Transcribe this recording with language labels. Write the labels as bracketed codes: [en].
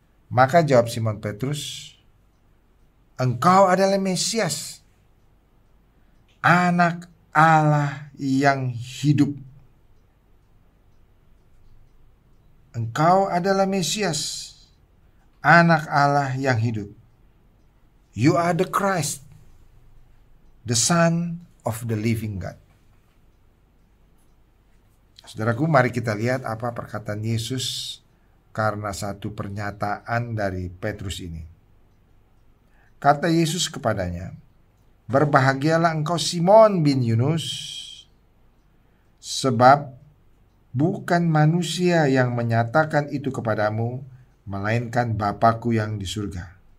[id] Maka jawab Simon Petrus, engkau adalah Mesias, anak Allah yang hidup. Engkau adalah Mesias, anak Allah yang hidup. [en] You are the Christ, the Son of the Living God. [id] Saudaraku, mari kita lihat apa perkataan Yesus karena satu pernyataan dari Petrus ini. Kata Yesus kepadanya, berbahagialah engkau Simon bin Yunus, sebab bukan manusia yang menyatakan itu kepadamu, melainkan Bapakku yang di surga.